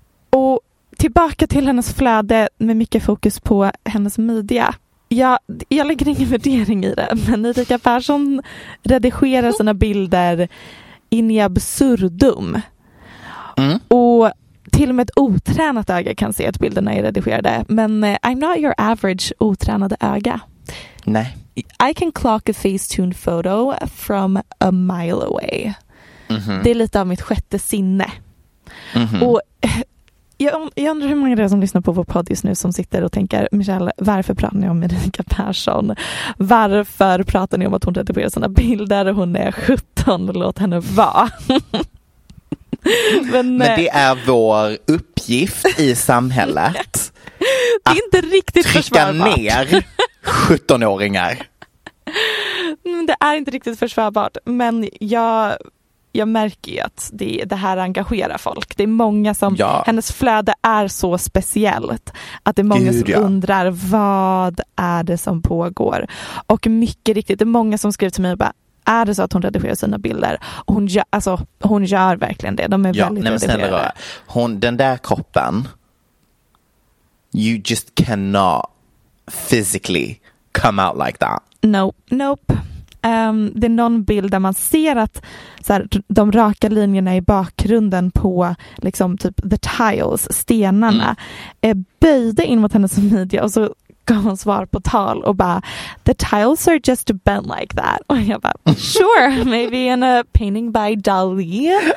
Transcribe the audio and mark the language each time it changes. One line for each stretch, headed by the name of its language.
Swedish: Och tillbaka till hennes flöde med mycket fokus på hennes media. Jag lägger ingen värdering i det, men Erika Persson redigerar sina bilder in i absurdum. Och till och med ett otränat öga kan se att bilderna är redigerade. Men
English: I'm not your average
Swedish: otränade öga. Nej.
English: I can clock a facetune photo from a mile away. Mm-hmm.
Swedish: Det är lite av mitt sjätte sinne. Mm-hmm. Och jag undrar hur många av er som lyssnar på vår podd just nu som sitter och tänker, Michelle, varför pratar ni om Erika Persson? Varför pratar ni om att hon redigerar sina bilder? Hon är 17, låt henne vara. Men det är vår uppgift i samhället. Det är inte riktigt försvarbart. Trycka ner 17-åringar. Det är inte riktigt försvarbart. Men jag märker ju att det här engagerar folk. Det är många som... Ja. Hennes flöde är så speciellt. Att det är många som undrar, vad är det som pågår? Och mycket riktigt, det är många som skriver till mig och bara, är det så att hon redigerar sina bilder? Hon gör verkligen det. De är väldigt redigerade. Hon, den där kroppen,
English: you just cannot physically come out like that. Nope.
Swedish: Det är någon bild där man ser att så här, de raka linjerna i bakgrunden på liksom, typ
English: the tiles,
Swedish: stenarna, är böjda in mot hennes midja och så gav hon svar på tal och bara,
English: the tiles are just bent like that.
Swedish: Och jag bara,
English: sure, maybe in a painting by Dali.